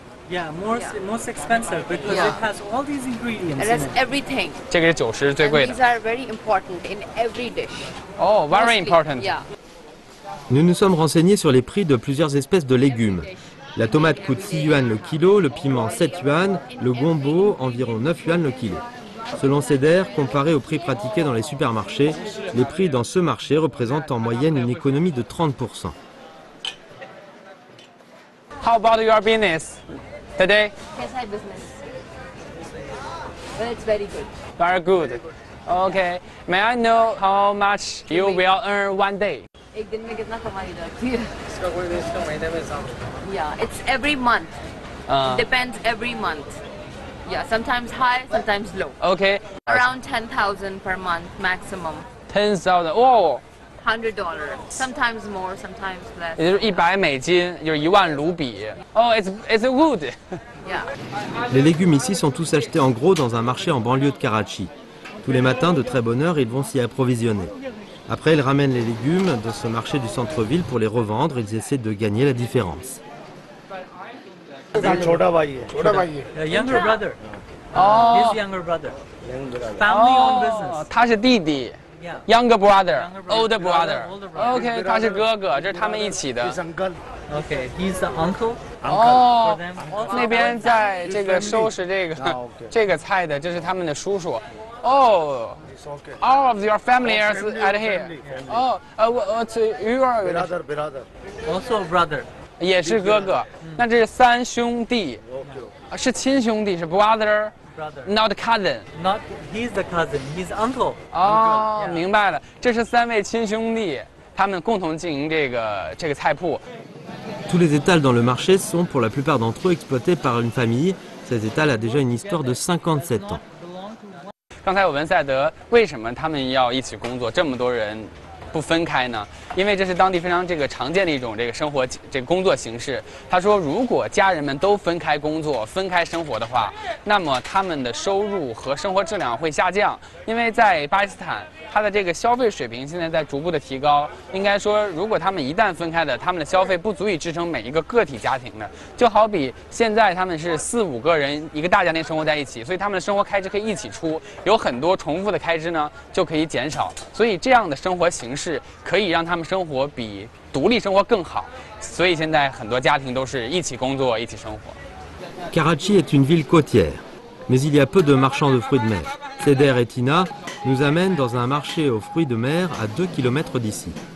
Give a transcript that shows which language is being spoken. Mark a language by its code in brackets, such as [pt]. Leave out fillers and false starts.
[en] Yeah, most expensive because it has all these ingredients. It has everything. [zh] 这个是九十最贵的。 [en] These are very important in every dish. Oh, very important. Yeah. [fr] Nous nous sommes renseignés sur les prix de plusieurs espèces de légumes. La tomate coûte 6 yuan le kilo, le piment 7 yuan, le gombo environ 9 yuan le kilo. Selon Seder, comparé aux prix pratiqués dans les supermarchés, les prix dans ce marché représentent en moyenne une économie de 30%. [en] How about your business today? Yes, I business. Well, it's very good. Very good. Okay. May I know how much you will earn one day? [hi] एक दिन में कितना कमाई जाती है? इसका कोई देश का महीने में हिसाब? [en] Yeah, it's every month. Depends every month. Yeah, sometimes high, sometimes low. Okay. Around 10,000 per month maximum. 10,000. Oh. $100, sometimes more, sometimes less. [zh] 100美金, 10,000 卢比. [en] Oh, it's good. Yeah. [fr] Les légumes ici sont tous achetés en gros dans un marché en banlieue de Karachi. Tous les matins, de très bonne heure, ils vont s'y approvisionner. Après, ils ramènent les légumes de ce marché du centre-ville pour les revendre. Ils essaient de gagner la différence. [en] Younger brother. Oh. His younger brother. Family-owned business. [zh] 他是弟弟。 [en] Yeah. Younger brother, older brother. Okay, [zh] 他是哥哥，这是他们一起的。 [en] Okay, he's the uncle. [zh] Oh, 那边在这个收拾这个菜的，这是他们的叔叔。 [en] Oh, all of your family is at here. Oh, what's your brother? Also brother. [zh] 也是哥哥，那这是三兄弟，是亲兄弟，是 brother. [en] Not cousin. Not he's the cousin. He's uncle. [zh] Oh, 明白了，这是三位亲兄弟，他们共同经营这个菜铺。 [fr] Tous les étals dans le marché sont pour la plupart d'entre eux exploités par une famille. Cet étal a déjà une histoire de 57 ans. [zh] 刚才我问赛德，为什么他们要一起工作，这么多人不分开呢？因为这是当地非常这个常见的一种这个生活这个工作形式。他说，如果家人们都分开工作、分开生活的话，那么他们的收入和生活质量会下降。因为在巴基斯坦，他的这个消费水平现在在逐步的提高。应该说，如果他们一旦分开的，他们的消费不足以支撑每一个个体家庭的。就好比现在他们是四五个人一个大家庭生活在一起，所以他们的生活开支可以一起出，有很多重复的开支呢就可以减少。所以这样的生活形式可以让他们生活比独立生活更好，所以现在很多家庭都是一起工作、一起生活。 [fr] Karachi est une ville côtière, mais il y a peu de marchands de fruits de mer. Seder et Tina nous amènent dans un marché aux fruits de mer à 2 km d'ici.